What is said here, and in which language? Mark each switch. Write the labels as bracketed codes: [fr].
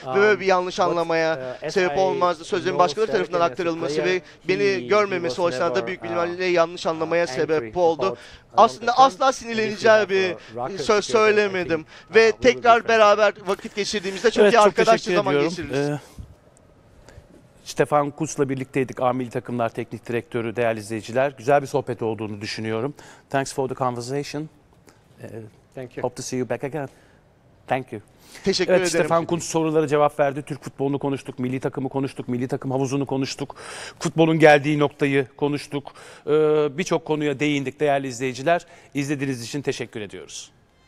[tr] Böyle bir yanlış anlamaya sebep olmazdı. Sözlerin başkaları tarafından aktarılması ve beni görmemesi o açıdan da büyük bir ihtimalle yanlış anlamaya sebep oldu. Aslında asla sinirleneceği bir söz söylemedim. Ve tekrar beraber vakit geçirdiğimizde çok evet, iyi arkadaşça zaman geçiririz. Stefan Kuntz'la birlikteydik. A Milli Takımlar Teknik Direktörü, değerli izleyiciler. Güzel bir sohbet olduğunu düşünüyorum. [en] Thanks for the conversation. Thank you. Hope to see you back again. Thank you. [tr] Teşekkür ederim. Stefan Kuntz sorulara cevap verdi. Türk futbolunu konuştuk, milli takımı konuştuk, milli takım havuzunu konuştuk, futbolun geldiği noktayı konuştuk. Birçok konuya değindik değerli izleyiciler. İzlediğiniz için teşekkür ediyoruz.